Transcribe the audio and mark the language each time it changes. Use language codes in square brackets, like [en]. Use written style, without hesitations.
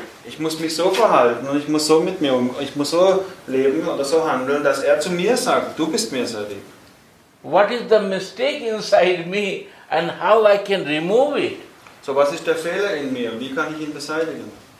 [de] Ich muss mich so verhalten und ich muss so mit mir umgehen, ich muss so leben oder so handeln, dass er zu mir sagt, du bist mir sehr lieb. [en] What is the mistake inside me and how I can remove it? [de] So was ist der Fehler in mir und wie kann ich ihn beseitigen?